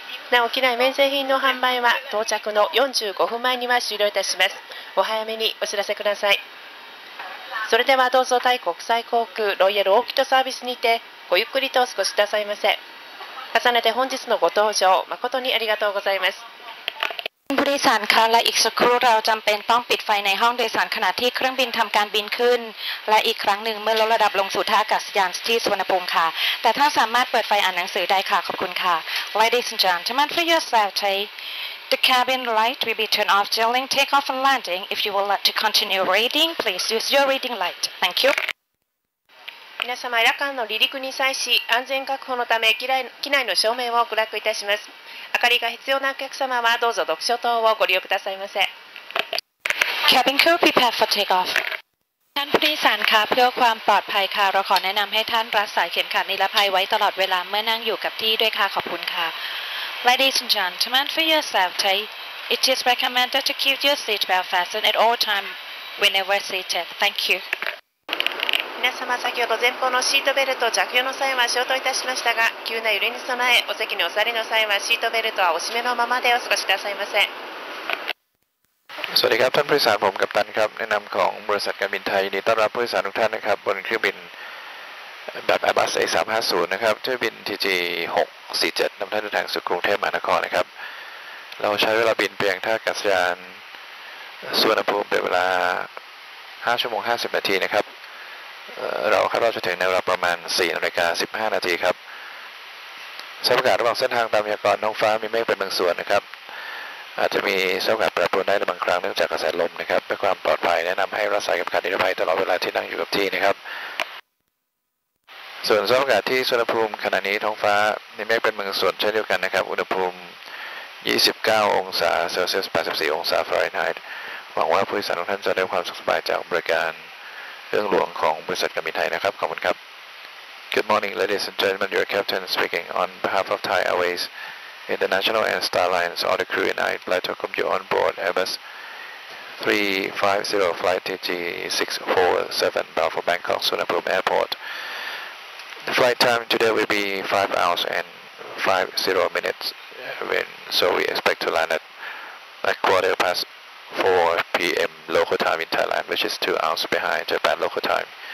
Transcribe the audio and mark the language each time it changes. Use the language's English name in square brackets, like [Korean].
[Japanese] なお機内免税品の販売は到着の45分前には終了いたします。お早めにお知らせください。それではどうぞタイ国際航空ロイヤルオーキッドサービスにてごゆっくりとお過ごしくださいませ。重ねて本日のご搭乗誠にありがとうございます。 [Thai] ผู้โดยสารคะและอีกสักครู่เราจำเป็นต้องปิดไฟในห้องโดยสารขณะที่เครื่องบินทำการบินขึ้นและอีกครั้งหนึ่งเมื่อลดระดับลงสู่ท่าอากาศยานที่สุวรรณภูมิค่ะแต่ถ้าสามารถเปิดไฟอ่านหนังสือได้ค่ะขอบคุณค่ะ [English] Ladies and gentlemen, for your safety, the cabin light will be turned off during takeoff and landing. If you would like to continue reading, please use your reading light. Thank you. [Japanese] 皆様、夜間の離陸に際し安全確保のため機内の照明を暗くいたします。明かりが必要なお客様はどうぞ読書灯をご利用くださいませ。 [English] キャビン crew prepare for take off。 [Thai] ท่านผู้โดยสารคะเพื่อความปลอดภัยค่ะเราขอแนะนำให้ท่านรัดสายเข็มขัดนิรภัยไว้ตลอดเวลาเมื่อนั่งอยู่กับที่ด้วยค่ะขอบคุณค่ะ [English] Ladies and gentlemen, for your safety, it is recommended to keep your seat belt fastened at all time whenever seated. Thank you. [Japanese] 皆様、先ほど前方のシートベルト着用の際は消灯いたしましたが、急な揺れに備え、お席にお座りの際はシートベルトはお締めのままでお過ごしくださいませ。 [Thai] สวัสดีครับท่านผู้โดยสารผมกัปตันครับในนามของบริษัทการบินไทยนี้ต้อนรับผู้โดยสารทุกท่านนะครับบนเครื่องบินแบบ Airbus A350 นะครับเที่ยวบิน TG647 นำท่านเดินทางสู่กรุงเทพมหานครนะครับเราใช้เวลาบินเพียงท่าอากาศยานสุวรรณภูมิเป็นเวลา5 ชั่วโมง 50 นาทีนะครับเราคาดว่าจะถึงในเวลาประมาณ4 นาฬิกา 15 นาทีครับ สภาพอากาศระหว่างเส้นทางตามพยากรณ์ท้องฟ้ามีเมฆเป็นบางส่วนนะครับอาจจะมีสภาพอากาศแปรปรวนได้บางครั้งเนื่องจากกระแสลมนะครับเพื่อความปลอดภัยแนะนำให้รัดสายกับขันนิรภัยตลอดเวลาที่นั่งอยู่กับที่นะครับ ส่วนสภาพอากาศที่สุวรรณภูมิขณะนี้ท้องฟ้ามีเมฆเป็นบางส่วนเช่นเดียวกันนะครับอุณหภูมิ29 องศาเซลเซียส84 องศาฟาเรนไฮต์หวังว่าผู้โดยสารทุกท่านจะได้ความสบายจากบริการเรื่องหลวงของบริษัทการบินไทยนะครับขอบคุณครับ [English] Good morning ladies and gentlemen, your captain speaking on behalf of Thai Airways International and Starlines. All the crew and I'd like to welcome you on board Airbus 350 flight TG647 bound for Bangkok Suvarnabhumi Airport. The flight time today will be 5 hours and 50 minutes, so we expect to land at like 4:15 PM local time in Thailand, which is 2 hours behind Japan local time.